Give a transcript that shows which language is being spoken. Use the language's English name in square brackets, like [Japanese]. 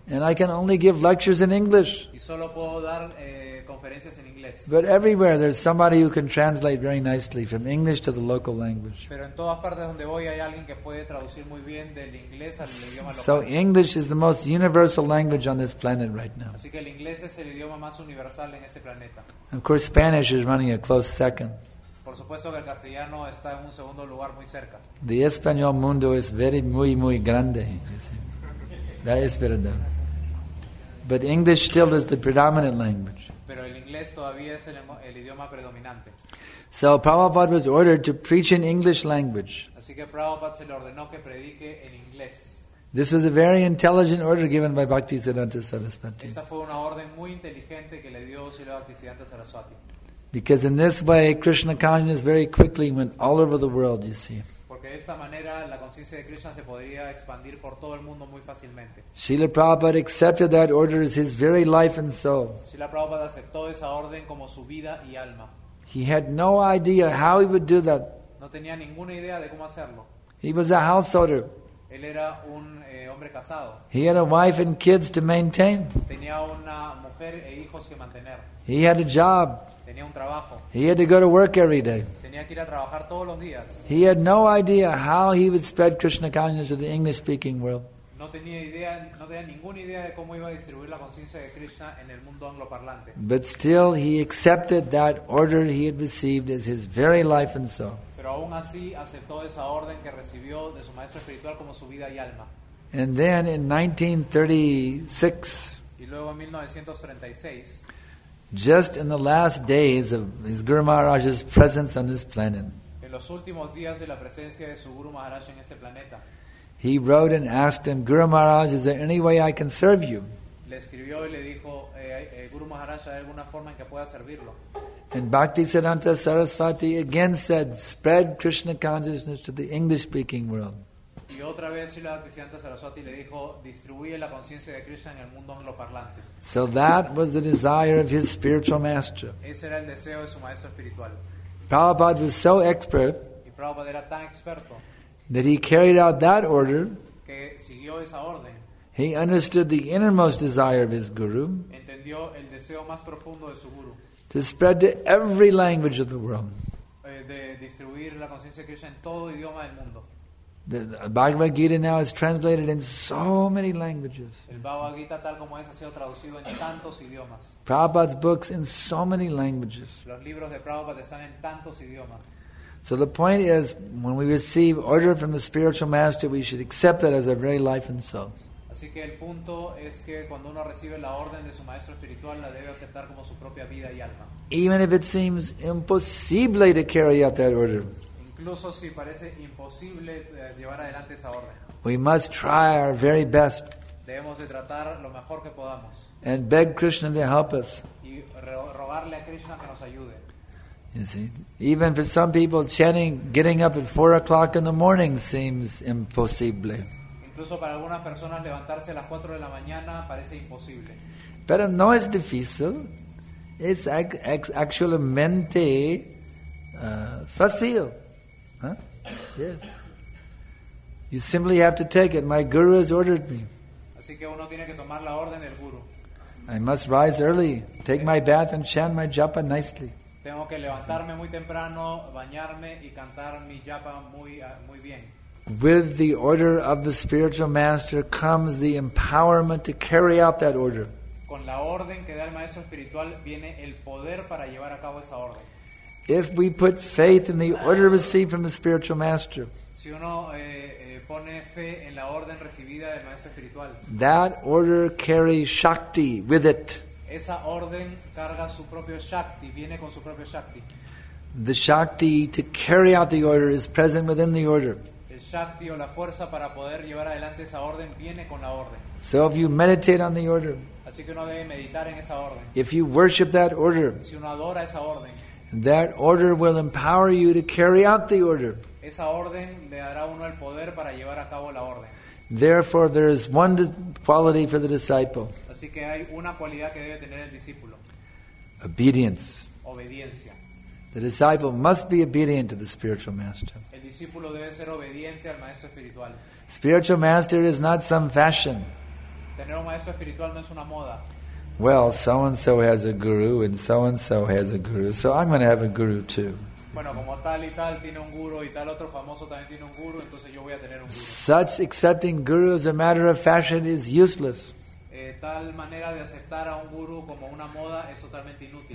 [English] And I can only give lectures in English. [Spanish] Y solo puedo dar conferencias en inglés. [English] But everywhere there's somebody who can translate very nicely from English to the local language. [Spanish] Pero en todas partes donde voy hay alguien que puede traducir muy bien del inglés al idioma local. [English] So English is the most universal language on this planet right now. [Spanish] Así que el inglés es el idioma más universal en este planeta. [English] Of course Spanish is running a close second. [Spanish] Por supuesto que el castellano está en un segundo lugar muy cerca. The español mundo es very muy muy grande. [English] That is [Spanish] verdad. [English] But English still is the predominant language. [Spanish] Pero el inglés todavía es el idioma predominante. [English] So Prabhupada was ordered to preach in English language. [Spanish] Así que Prabhupada se le ordenó que predique en inglés. [English] This was a very intelligent order given by Bhaktisiddhanta Sarasvati. [Spanish] Esta fue una orden muy inteligente que le dio Srila Bhaktisiddhanta Sarasvati. [English] Because in this way, Krishna consciousness very quickly went all over the world, you see. [Spanish] Porque de esta manera, la conciencia de Krishna se podría expandir por todo el mundo muy fácilmente. [English] Srila Prabhupada accepted that order as his very life and soul. [Spanish] Srila Prabhupada aceptó esa orden como su vida y alma. [English] He had no idea how he would do that. [Spanish] No tenía ninguna idea de cómo hacerlo. [English] He was a householder. [Spanish] Él era un hombre casado. [English] He had a wife and kids to maintain. [Spanish] Tenía una mujer e hijos que mantener. [English] He had a job. [Spanish] Tenía un trabajo. [English] He had to go to work every day. [Spanish] Tenía que ir a trabajar todos los días. [English] He had no idea how he would spread Krishna consciousness to the English speaking world. [Spanish] No tenía idea, no tenía ninguna idea de cómo iba a distribuir la conciencia de Krishna en el mundo angloparlante. [English] But still he accepted that order he had received as his very life and soul. [Spanish] Pero aún así aceptó esa orden que recibió de su maestro espiritual como su vida y alma. [English] And then in 1936. [Spanish] Y luego en 1936. [English] Just in the last days of his Guru Maharaj's presence on this planet, [Spanish] en los últimos días de la presencia de su Guru Maharaj en este planeta, [English] he wrote and asked him, Guru Maharaj, is there any way I can serve you? [Spanish] Le escribió y le dijo, Guru Maharaj, ¿hay alguna forma en que pueda servirlo? [English] And Bhaktisiddhanta Sarasvati again said, spread Krishna consciousness to the English-speaking world. [Spanish] Y otra vez Srila Bhaktisiddhanta Saraswati le dijo, distribuye la conciencia de Krishna en el mundo angloparlante. [English] So that was the desire of his spiritual master. [Spanish] Ese era el deseo de su maestro espiritual. [English] Prabhupada was so expert. [Spanish] Y Prabhupada era tan experto. [English] That he carried out that order. [Spanish] Que siguió esa orden. [English] He understood the innermost desire of his guru. [Spanish] Entendió el deseo más profundo de su guru. [English] To spread to every language of the world. [Spanish] De distribuir la conciencia de Krishna en todo idioma del mundo. [English] The Bhagavad Gita now is translated in so many languages. [Spanish] El Bhagavad Gita tal como es ha sido traducido en tantos idiomas. [English] Prabhupada's books in so many languages. [Spanish] Los libros de Prabhupada están en tantos idiomas. [English] So the point is, when we receive order from the spiritual master, we should accept that as our very life and soul. [Spanish] Así que el punto es que cuando uno recibe la orden de su maestro espiritual, la debe aceptar como su propia vida y alma. [English] Even if it seems impossible to carry out that order. [Spanish] Incluso si parece imposible llevar adelante esa orden. [English] We must try our very best. [Spanish] Debemos de tratar lo mejor que podamos. [English] And beg Krishna to help us. [Spanish] Y rogarle a Krishna que nos ayude. [English] You see, even for some people, chanting, getting up at 4 o'clock in the morning seems impossible. [Spanish] Incluso para algunas personas levantarse a las 4 de la mañana parece imposible. Pero no es difícil. Es actualmente fácil. Huh? [English] Yes. You simply have to take it. My guru has ordered me. [Spanish] Así que uno tiene que tomar la orden del guru. [English] I must rise early, take my bath and chant my japa nicely. [Spanish] Tengo que levantarme muy temprano, bañarme y cantar mi japa muy bien. [English] With the order of the spiritual master comes the empowerment to carry out that order. [Spanish] Con la orden que da el maestro espiritual viene el poder para llevar a cabo esa orden. [English] If we put faith in the order received from the spiritual master, [Spanish] si uno pone fe en la orden recibida del maestro espiritual, [English] that order carries shakti with it. [Spanish] Esa orden carga su propio shakti, viene con su propio shakti. [English] The shakti to carry out the order is present within the order. [Spanish] El shakti o la fuerza para poder llevar adelante esa orden viene con la orden. [English] So if you meditate on the order, [Spanish] así que uno debe meditar en esa orden. [English] If you worship that order, [Spanish] si uno adora esa orden, [English] that order will empower you to carry out the order. [Spanish] Esa orden le dará uno el poder para llevar a cabo la orden. [English] Therefore, there is one quality for the disciple. [Spanish] Así que hay una cualidad que debe tener el discípulo. [English] Obedience. [Spanish] Obediencia. [English] The disciple must be obedient to the spiritual master. [Spanish] El discípulo debe ser obediente al maestro espiritual. [English] Spiritual master is not some fashion. [Spanish] Tener un maestro espiritual no es una moda. [English] Well, so-and-so has a guru, and so-and-so has a guru, so I'm going to have a guru too. [Spanish] Bueno, como tal y tal tiene un guru y tal otro famoso también tiene un guru, entonces yo voy a tener un guru. [English] Such accepting guru as a matter of fashion is useless. [Spanish] Tal manera de aceptar a un guru como una moda es totalmente inútil.